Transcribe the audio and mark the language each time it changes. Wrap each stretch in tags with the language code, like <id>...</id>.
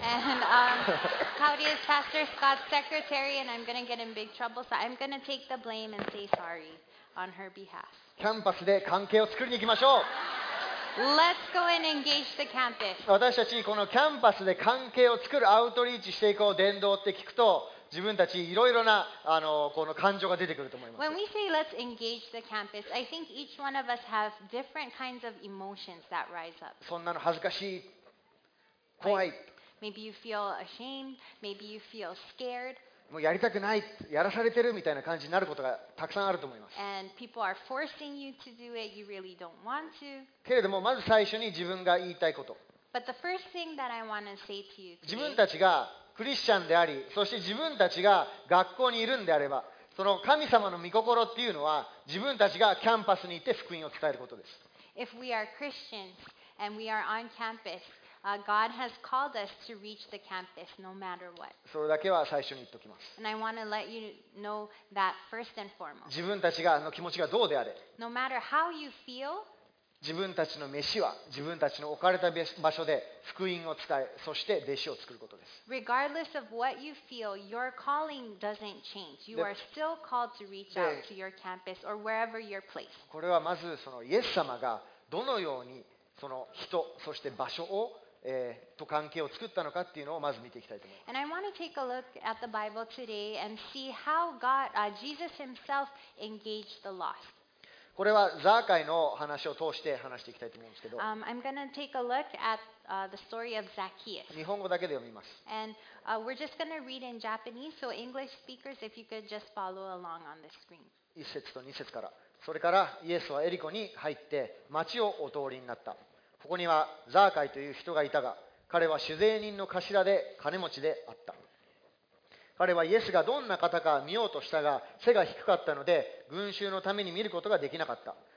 <ja>かおりはパスター・スコット・セクレタリー、</ja> <en>and I'm gonna get in big trouble, so I'm gonna take the blame and say sorry on her behalf.</en> <ja>キャンパスで関係を作りに行きましょう。</ja> <en>Let's go and engage the campus.</en> <ja>私たちこのキャンパスで関係を作る、アウトリーチしていこう、伝道って聞くと、自分たちいろいろなこの感情が出てくると思います。</ja> <en>When we say let's engage the campus, I think each one of us have different kinds of emotions that rise up.</en> <ja>そんなの恥ずかしい、怖い。</ja> <en>Like, maybe you feel ashamed, maybe you feel scared.</en> <ja>もうやりたくない、やらされてるみたいな感じになることがたくさんあると思います。</ja> <en>And people are forcing you to do it, you really don't want to.</en> <ja>けれどもまず最初に自分が言いたいこと。</ja> <en>But the first thing that I want to say to you today,</en> <ja>自分たちがクリスチャンであり、そして自分たちが学校にいるんであれば、その神様の御心っていうのは、自分たちがキャンパスに行って福音を伝えることです。</ja> <en>If we are Christians and we are on campus, God has called us to reach the campus no matter what.</en> <ja>それだけは最初に言っておきます。</ja> <en>And I want to let you know that first and foremost.</en> <ja>自分たちがの気持ちがどうであれ、</ja> <en>No matter how you feel,</en> <ja>自分たちの飯は自分たちの置かれた場所で福音を伝え、そして弟子を作ることです。</ja> <en>Regardless of what you feel, your calling doesn't change. You are still called to reach out to your campus or wherever you're placed.</en> <ja>これはまずそのイエス様がどのようにその人、そして場所を、と関係を作ったのかっていうのをまず見ていきたいと思います。</ja> <en>And I want to take a look at the Bible today and see how God, Jesus himself engaged the lost.</en> <ja>これはザーカイの話を通して話していきたいと思うんですけど、</ja> <en>I'm gonna take a look at, the story of Zacchaeus.</en> <ja>日本語だけで読みます。</ja> <en>And, we're just gonna read in Japanese, so English speakers, if you could just follow along on the screen.</en> <ja>1節と2節から。それからイエスはエリコに入って町をお通りになった。ここにはザーカイという人がいたが、彼は酒税人の頭で金持ちであった。彼はイエスがどんな方か見ようとしたが、背が低かったので群衆のために見ることができなかった。</ja>